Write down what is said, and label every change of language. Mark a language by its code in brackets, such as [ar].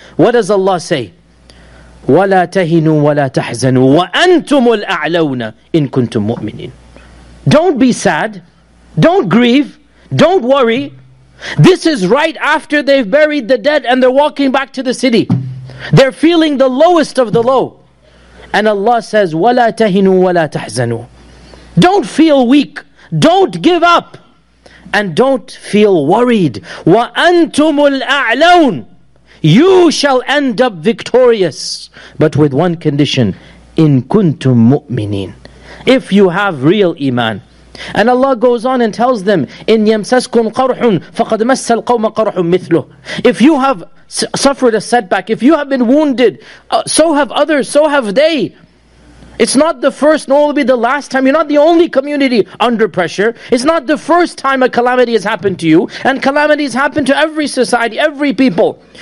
[en] What does Allah say? [ar] وَلَا تَهِنُوا وَلَا تَحْزَنُوا وَأَنْتُمُ الْأَعْلَوْنَ إِن كُنْتُمْ مُؤْمِنِينَ. [en] Don't be sad. Don't grieve. Don't worry. This is right after they've buried the dead and they're walking back to the city. They're feeling the lowest of the low. And Allah says, [ar] وَلَا تَهِنُوا وَلَا تَحْزَنُوا. [en] Don't feel weak. Don't give up. And don't feel worried. [ar] وَأَنْتُمُ الْأَعْلَوْنَ. [en] You shall end up victorious. But with one condition. [ar] إِن كُنْتُم مُؤْمِنِينَ. [en] If you have real iman. And Allah goes on and tells them, [ar] إِن يَمْسَسْكُمْ قَرْحٌ فَقَدْ مَسَّ الْقَوْمَ قَرْحٌ مِثْلُهُ. [en] If you have suffered a setback, if you have been wounded, so have others, so have they. It's not the first, nor will it be the last time. You're not the only community under pressure. It's not the first time a calamity has happened to you. And calamities happen to every society, every people.